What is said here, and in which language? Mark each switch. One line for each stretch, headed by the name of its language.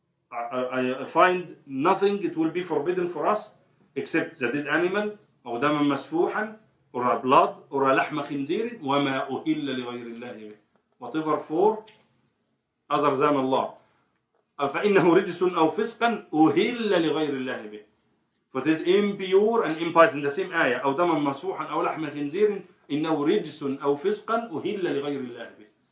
English: I find nothing it will be forbidden for us except the dead animal أو دما مسفوحا or a blood or a لحم خنزير وما أهل لغير الله به. Whatever for other than Allah.
Arabic: فإنه رجس أو فسقا أهل لغير الله به.
English: But it is impure and impious in the same ayah.
Arabic: أو دما مسفوحا أو لحم خنزير إنه رجس أو فسقا أهل لغير الله به.